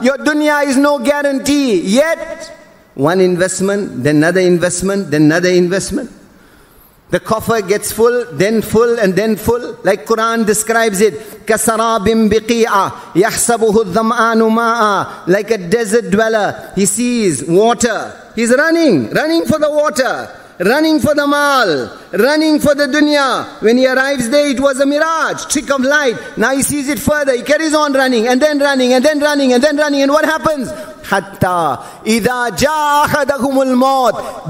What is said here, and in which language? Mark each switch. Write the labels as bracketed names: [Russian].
[English] Your dunya is no guarantee. Yet, one investment, then another investment, then another investment. The coffer gets full, and then full. Like Quran describes it, [Arabic] كَسَرَابٍ بِقِيعًا يَحْسَبُهُ الظَّمْآنُ مَاءً. [English] Like a desert dweller, he sees water. He's running for the water, running for the maal, running for the dunya. When he arrives there, it was a mirage, trick of light. Now he sees it further. He carries on running, and then running, and then running, and then running. And what happens? [Arabic] حَتَّى إِذَا جَاءَ أَحَدَهُمُ الْمَوْتِ.